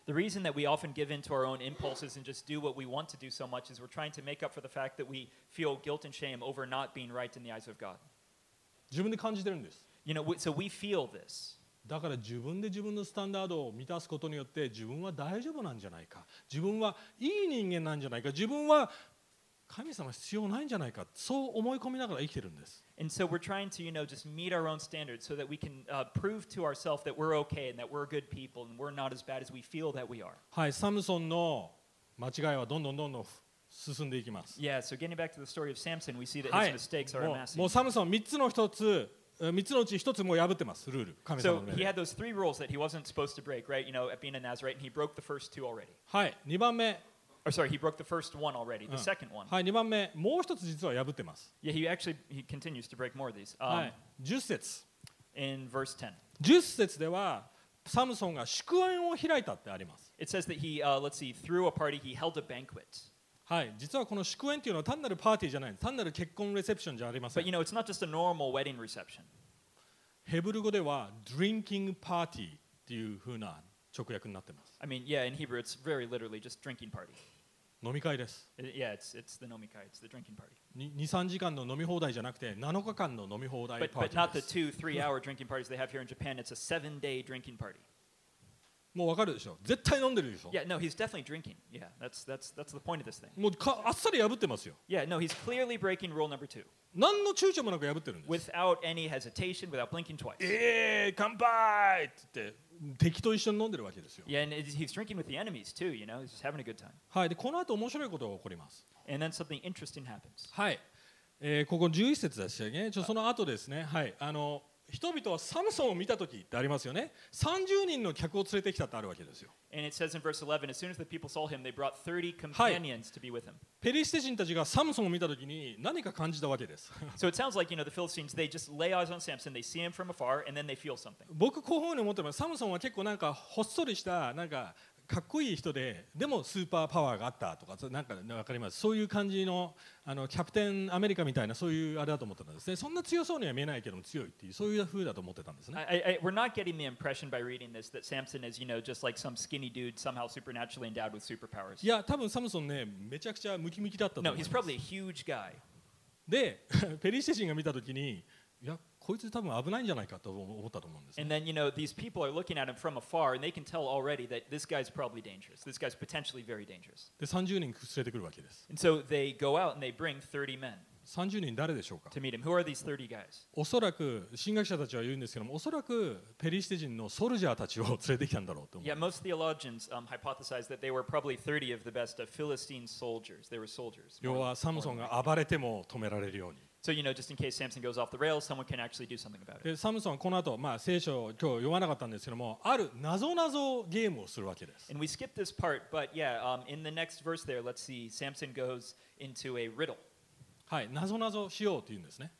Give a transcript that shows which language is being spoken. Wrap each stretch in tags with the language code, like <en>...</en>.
<en>The reason that we often give in to our own impulses and just do what we want to do so much is we're trying to make up for the fact that we feel guilt and shame over not being right in the eyes of God.</en> <ja>自分で感じてるんです。</ja> <en>You know, so we feel this.</en> <ja>だから自分で自分のスタンダードを満たすことによって自分は大丈夫なんじゃないか。自分はいい人間なんじゃないか。自分は神様必要ないんじゃないか。そう思い込みながら生きてるんです。</ja> <en>And so we're trying to, you know, just meet our own standards so that we can prove to ourselves that we're okay and that we're good people and we're not as bad as we feel that we are.</en> <ja>はい、サムソンの間違いはどんどんどんどん進んでいきます。</ja> <en>Yeah, so getting back to the story of Samson, we see that his mistakes are massive.</en> <ja>もうサムソン3つの1つ、3つのうち1つもう破ってます、ルール。神様の目で。</ja> <en>So he had those three rules that he wasn't supposed to break, right? You know, at being a Nazarite, and he broke the first two already.</en> <ja>はい、2番目。</ja> <en>Or sorry, he broke the first one already, the second one.</en> <ja>はい、2番目、もう1つ実は破ってます。</ja> <en>Yeah, he actually, he continues to break more of these.</en> <ja>はい、10節。</ja> <en>In verse 10.</en> <ja>10節では、サムソンが祝宴を開いたってあります。</ja> <en>It says that he, let's see, threw a party, he held a banquet.</en> <ja>はい、実はこの祝宴というのは単なるパーティーじゃない、単なる結婚レセプションじゃありません。</ja> <en>But you know, it's not just a normal wedding reception.</en> <ja>ヘブル語では</ja> <en>drinking party</en> <ja>っていう風な直訳になってます。</ja> <en>I mean, yeah, in Hebrew it's very literally just drinking party.</en> <ja>飲み会です。</ja> <en>Yeah, it's the 飲み会、it's the drinking party.</en> <ja>2、3 時間の飲み放題じゃなくて7日間の飲み放題パーティーです。</ja> <en>But not the 2-3 hour drinking parties they have here in Japan. It's a 7 day drinking party.</en> <ja>もうわかるでしょ。絶対飲んでるでしょ。</ja> <en>Yeah, no, he's definitely drinking. Yeah, that's the point of this thing.</en> <ja>もうあっさり破ってますよ。</ja> <en>Yeah, no, he's clearly breaking rule number two.</en> <ja>何の躊躇もなく破ってるんです。</ja> <en>Without any hesitation, without blinking twice.</en> <ja>乾杯って敵と一緒に飲んでるわけですよ。</ja> <en>Yeah, and he's drinking with the enemies too. You know, he's just having a good time.</en> <ja>はい、でこの後面白いことが起こります。</ja> <en>And then something interesting happens.</en> <ja>はい、ここ11節でしたね。ちょその後ですね。はい、人々はサムソンを見たときってありますよね。 30人の客を連れてきたってあるわけですよ。</ja> <en>And it says in verse 11, as soon as the people saw him, they brought 30 companions to be with him.</en> <ja>ペリシテ人たちがサムソンを見たときに何か感じたわけです。</ja> <en>So it sounds like, you know, the Philistines, they just lay eyes on Samson, they see him from afar, and then they feel something.</en> <ja>僕こういうふうに思ってます。サムソンは結構なんかほっそりした、なんかかっこいい人で、でもスーパーパワーがあったとか、なんかわかります。そういう感じの、キャプテンアメリカみたいな、そういうあれだと思ってたんですね。そんな強そうには見えないけども強いっていう、そういう風だと思ってたんですね。</ja> <en>We're not getting the impression by reading this that Samson is, you know, just like some skinny dude, somehow supernaturally endowed with superpowers.</en> <ja>いや、多分サムソンね、めちゃくちゃムキムキだったと思います。</ja> <en>No, he's probably a huge guy.</en> <ja>で、ペリシテ人が見たときに、いや、こいつ多分危ないんじゃないかと思ったと思うんです、ね。</ja> <en>And then, you know, these people are looking at him from afar and they can tell already that this guy's probably dangerous. This guy's potentially very dangerous.</en> <ja>で、30人連れてくるわけです。</ja> <en>And so they go out and they bring 30 men.</en> <ja>30人誰でしょうか?</ja> <en>To meet him. Who are these 30 guys?</en> <ja>おそらく、神学者たちは言うんですけども、おそらくペリシテ人のソルジャーたちを連れてきたんだろうと思います。</ja> <en>Yeah, most theologians hypothesize that they were probably 30 of the best of Philistine soldiers. They were soldiers.</en> <ja>要はサムソンが暴れても止められるように。</ja> <en>So, you know, just in case Samson goes off the rails, someone can actually do something about it.</en> <ja>で、サムソンはこの後、まあ、聖書を今日読まなかったんですけども、ある謎々ゲームをするわけです。</ja> <en>And we skipped this part, but yeah, in the next verse there, let's see, Samson goes into a riddle.</en> <ja>はい、謎々しようって言うんですね。</ja>